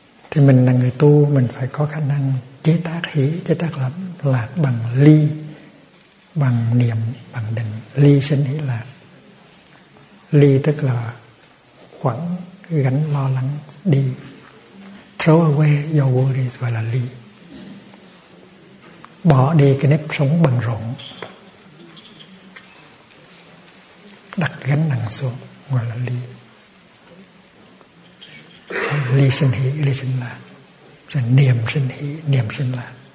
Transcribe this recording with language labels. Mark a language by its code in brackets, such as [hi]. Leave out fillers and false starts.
[vi] Thì mình là người tu, mình phải có khả năng chế tác hỷ, chế tác lạc bằng ly, bằng niệm, bằng định. Ly sinh hỷ lạc. Ly tức là quẳng gánh lo lắng đi. [en] Throw away your worries, [vi] gọi là ly. Bỏ đi cái nếp sống bận rộn, đặt gánh nặng xuống, gọi là ly. Ly sinh hỷ, ly sinh lạc. Rồi niềm sinh hỷ, niềm sinh lạc.